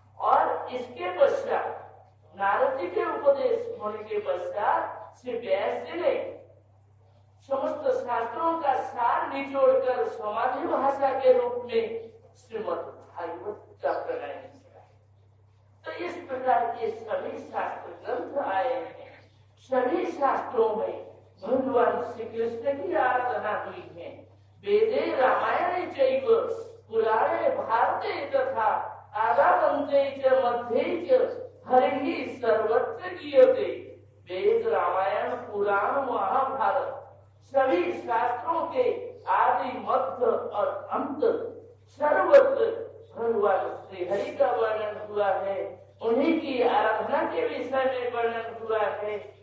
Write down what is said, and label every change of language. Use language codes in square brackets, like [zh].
[hi] और इसके पश्चात नारद जी के उपदेश होने के पश्चात श्री व्यास जी ने समस्त शास्त्रों का सार निचोड़ कर समाधि भाषा के रूप में श्रीमद् भागवत का प्रणय किया। तो इस प्रकार ये सभी शास्त्र ग्रंथ आए हैं। सभी शास्त्रों में भगवान श्री कृष्ण की आराधना हुई है। [sa] वेदे रामायणे चैव पुराणे भारते तथा आदावन्ते च मध्ये च हरिः सर्वत्र गीयते। [hi] वेद रामायण पुराण महाभारत सभी शास्त्रों के आदि मध्य और अंत सर्वत्र भगवान श्री हरि का वर्णन हुआ है, उन्हीं की आराधना के विषय में वर्णन हुआ है।